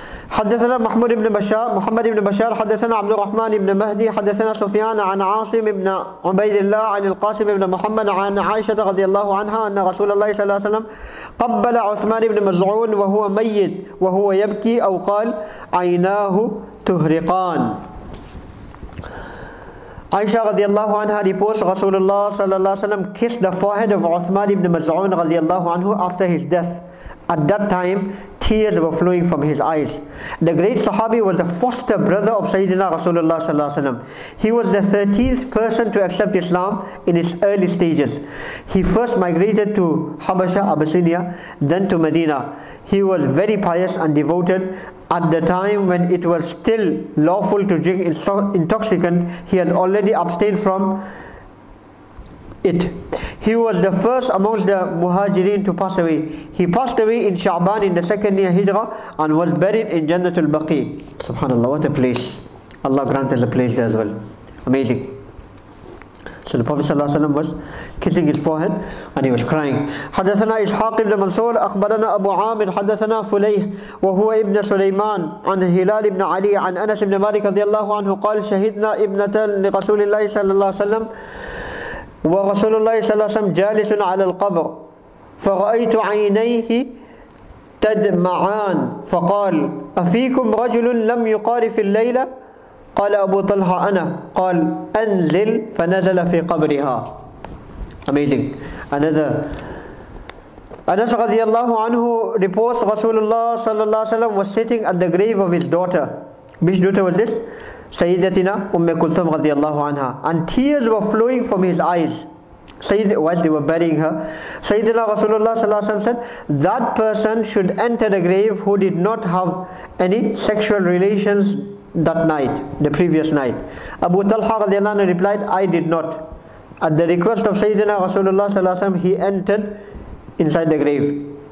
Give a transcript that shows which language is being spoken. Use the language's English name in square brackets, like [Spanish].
[Arabic] حدثنا محمود بن بشار محمد بن بشار حدثنا عبد الرحمن بن مهدي حدثنا سفيان عن عاصم بن عبيد الله عن القاسم بن محمد عن عائشة رضي الله عنها أن رسول الله صلى الله عليه وسلم قبل عثمان بن مزعون وهو ميت وهو يبكي أو قال عيناه تهرقان. [English] Aisha radiallahu anha reports Rasulullah sallallahu alaihi wasallam kissed the forehead of Uthman ibn Maz'un radiallahu anhu after his death. At that time, tears were flowing from his eyes. The great Sahabi was the foster brother of Sayyidina Rasulullah sallallahu alaihi wasallam. He was the 13th person to accept Islam in its early stages. He first migrated to Habasha, Abyssinia, then to Medina. He was very pious and devoted. At the time when it was still lawful to drink intoxicant, he had already abstained from it. He was the first amongst the Muhajirin to pass away. He passed away in Sha'ban in the second year Hijra and was buried in Jannatul Baqi. SubhanAllah, what a place. Allah granted the place there as well. Amazing. So the Prophet ﷺ was kissing his forehead and he was crying. [Arabic] حدثنا إسحاق بن منصور أخبرنا أبو عامر حدثنا فليه وهو ابن سليمان عن هلال بن علي عن أنس بن مالك رضي الله عنه قال شهدنا ابنة لرسول الله صلى الله عليه وسلم ورسول الله صلى الله عليه وسلم جالس على القبر فرأيت عينيه تدمعان فقال أفيكم رجل لم يقارف الليلة قال أبو طلحة أنا قال أنزل فنزل في قبرها. [English] Amazing. Another. Anas [Arabic] رضي الله عنه [English] reports رسول الله [Arabic] صلى الله عليه وسلم [English] was sitting at the grave of his daughter. Which daughter was this? [Arabic] سيدتنا أم كلثوم رضي الله عنها. [English] And tears were flowing from his eyes. While they were burying her, Sayyidina Rasulullah sallallahu alaihi wasallam said, that person should enter the grave who did not have any sexual relations that night, the previous night. Abu Talha radiallahu anhu replied, I did not. At the request of Sayyidina Rasulullah sallallahu alaihi wasallam, he entered inside the grave.